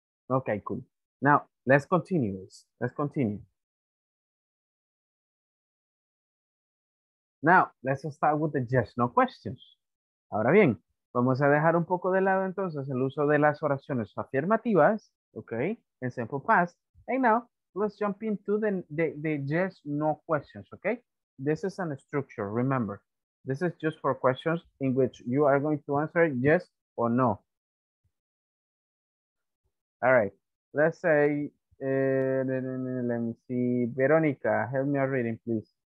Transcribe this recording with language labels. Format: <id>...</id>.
<en>Okay, cool. Now, let's continue this. Let's continue. Now, let's start with the yes, no questions.</en> <es>Ahora bien, vamos a dejar un poco de lado entonces el uso de las oraciones afirmativas, okay, en simple past.</es> <en>And now, let's jump into the yes, no questions, okay? This is a structure, remember. This is just for questions in which you are going to answer yes or no. All right, let's say, let me see, Veronica, help me out reading, please.</en>